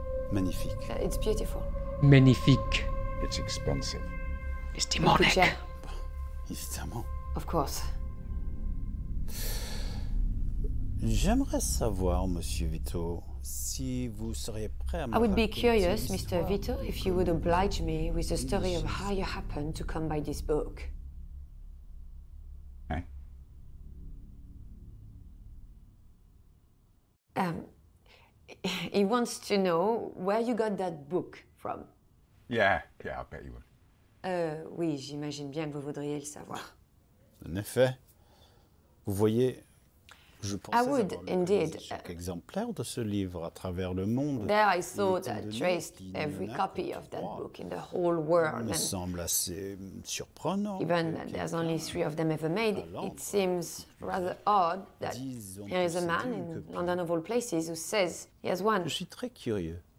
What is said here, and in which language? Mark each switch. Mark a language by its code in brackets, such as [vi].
[fr] Magnifique. [en] It's beautiful. [fr] Magnifique. [en] It's expensive. It's demonic. [fr] Évidemment. [en] Of course. [fr] J'aimerais savoir, Monsieur Vito, si vous seriez prêt à me [en] I would be curious, Mr. Vito, if you would oblige me with the story of how you happened to come by this book. [fr] Hein? [en] He wants to know where you got that book from. Yeah, I bet you would. [fr] Oui, j'imagine bien que vous voudriez le savoir. En effet. Vous voyez, je pensais [en] I would, [fr] avoir [en] indeed. [fr] Chaque exemplaire de ce livre à travers le monde. [en] There I thought I traced every copy of that book in the whole world. [fr] Me semble assez surprenant. [en] Even there's only three of them ever made, it seems rather odd that here is a man in London of all places who says he has one. [fr] Je suis très curieux.